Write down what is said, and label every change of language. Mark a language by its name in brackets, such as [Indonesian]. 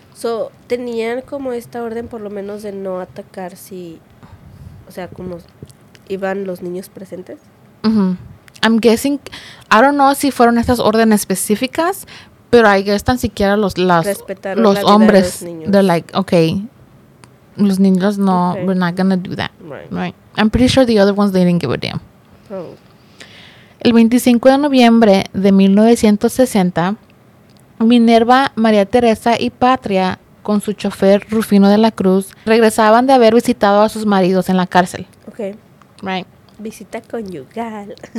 [Spanish] So, tenían como esta orden por lo menos de no atacar si, o sea, como iban los niños presentes. Uh-huh. [English] I'm guessing, I don't know [Spanish] si fueron estas órdenes específicas. Pero ahí están siquiera los hombres. De los [English] they're like, okay, [Spanish] los niños no, [English] okay. We're not gonna do that. Right. Right. I'm pretty sure the other ones, they didn't give a damn. [Spanish] El 25 de noviembre de 1960, Minerva, María Teresa y Patria, con su chofer Rufino de la Cruz, regresaban de haber visitado a sus maridos en la cárcel. [English] Ok. Right. [Spanish] Visita conyugal.